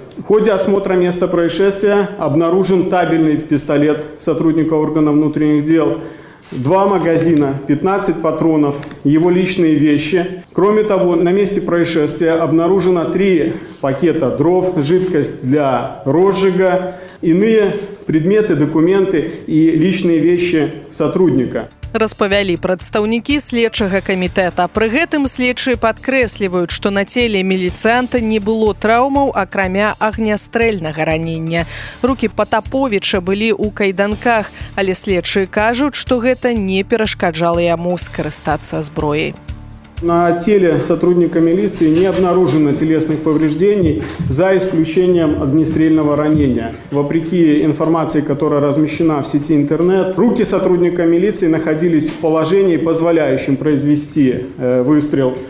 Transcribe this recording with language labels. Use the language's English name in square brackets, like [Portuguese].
[Russian] В ходе осмотра места происшествия обнаружен табельный пистолет сотрудника органов внутренних дел, 2 магазина, 15 патронов, его личные вещи. Кроме того, на месте происшествия обнаружено 3 пакета дров, жидкость для розжига, иные предметы, документы и личные вещи сотрудника. [Belarusian] Распавялі прадстаўнікі следчага камітэта. Пры гэтым следчы падкрэсліваюць, што на целе міліцыянта не было траўмаў, акрамя агнястрэльнага ранення. Рукі Патаповіча былі ў кайданках, але следчы кажуць, што гэта не перашкаджала яму скарыстацца зброяй. [Russian] На теле сотрудника милиции не обнаружено телесных повреждений, за исключением огнестрельного ранения. Вопреки информации, которая размещена в сети интернет, руки сотрудника милиции находились в положении, позволяющем произвести выстрел.